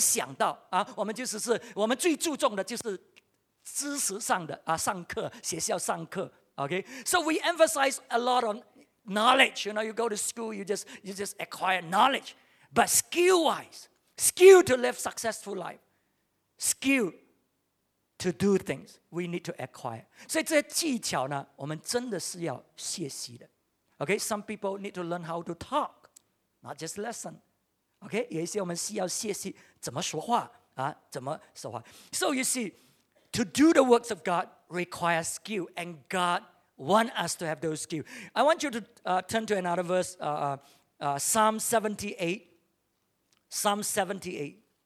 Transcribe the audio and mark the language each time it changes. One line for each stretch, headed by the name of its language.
Chinese: 什么要学习听人家讲？每个人都在听人家讲吗？可是我现在发觉不是，有很多人真的是不会听人讲的。啊，我们做丈夫、做妻子的，我们就知道了。常常我们发生问题就是不会听，对不对？听错了，所以就发生问题了。啊，所以你看这些技巧我们是要学习的，可是我们就没有想到啊，我们就只是我们最注重的就是。知识上的啊，上课学校上课，OK.
English: So we emphasize a lot on knowledge. You know, you go to school, you just acquire knowledge. But skill-wise, skill to live successful life, skill to do things, we need to acquire.
Chinese: 所以这些技巧呢，我们真的是要学习的。
English: OK, some people need to learn how to talk, not just listen.
Chinese: OK, 有一些我们需要学习怎么说话啊，怎么说话。
English: So you see. To do the works of God requires skill, and God wants us to have those skills. I want you to turn to another verse, Psalm 78.